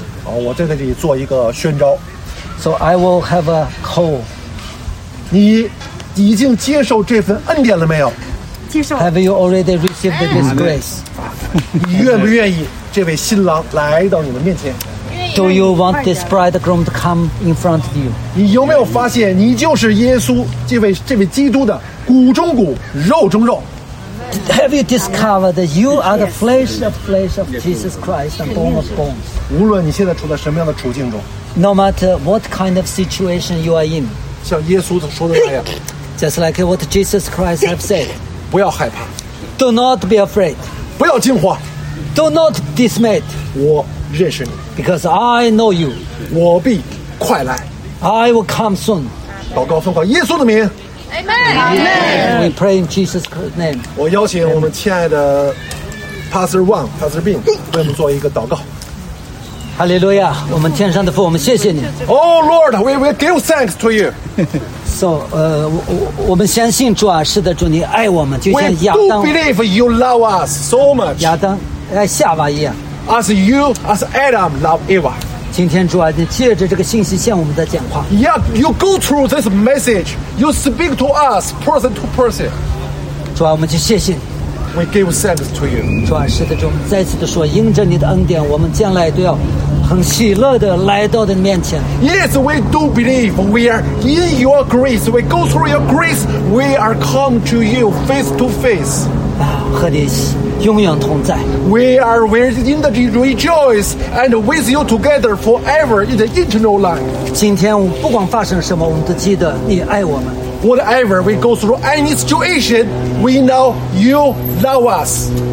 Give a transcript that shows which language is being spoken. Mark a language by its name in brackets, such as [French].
[Chinese] 好，我在这里做一个宣召。 [English] So I will have a call. [Chinese] 你已经接受这份恩典了没有？接受。 [English] Have you already received this grace? [Chinese] 你愿不愿意这位新郎来到你的面前？ [English] Do you want this bridegroom to come in front of you? [Chinese] 你有没有发现你就是耶稣这位基督的骨中骨肉中肉？ [English] Have you discovered that you are the flesh of flesh of Jesus Christ and bone of bones? [Chinese] 无论你现在处在什么样的处境中， [English] No matter what kind of situation you are in, [Chinese] 像耶稣说的那样 [English] Just like what Jesus Christ have said [Chinese] 不要害怕 [English] Do not be afraid [Chinese] 不要惊慌 [English] Do not dismayed [Chinese] 我认识你 [English] Because I know you [Chinese] 我必快来 [English] I will come soon [Chinese] 祷告奉告耶稣的名 [English] Amen We pray in Jesus Christ's name [Chinese] 我邀请我们亲爱的 Pastor Wang Pastor Bing 为我们做一个祷告哈利路亚我们天上的父我们谢谢你 [English] Oh Lord we will give thanks to you [Chinese] So 我们相信主啊是的主你爱我们就像亚当 [English] We do believe you love us so much [Chinese] 亚当爱夏娃一样 [English] As Adam love Eva [Chinese] 今天主啊你借着这个信息向我们的讲话 [English] Yeah you go through this message You speak to us person to person [Chinese] 主啊我们就谢谢你 [English] We give thanks to you. [Chinese] 主啊，是的，主，再次的说，因着你的恩典，我们将来都要很喜乐的来到的面前。 [English] Yes, we do believe we are in your grace. We go through your grace. We are come to you face to face. [Chinese] 啊，和你永远同在。 [English] We are within the rejoice and with you together forever in the eternal life. [Chinese] 今天不管发生什么，我们都记得你爱我们。 [English] Whatever we go through any situation, we know you love us.